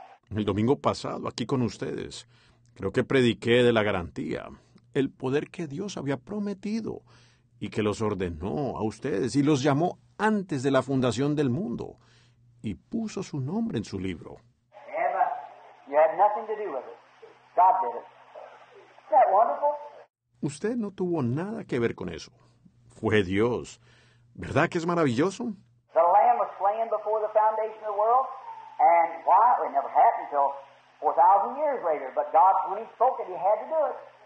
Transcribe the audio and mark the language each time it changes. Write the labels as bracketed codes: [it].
[es] El domingo pasado, aquí con ustedes, creo que prediqué de la garantía, el poder que Dios había prometido y que los ordenó a ustedes y los llamó antes de la fundación del mundo y puso su nombre en su libro. [en] Emma, you had nothing to do with it. God did it. Isn't that wonderful? [es] Usted no tuvo nada que ver con eso. Fue Dios. ¿Verdad que es maravilloso? [en] The lamb was slain before the foundation of the world, and why? It never happened until 4,000 years later, but God, when he spoke it, he had to do it.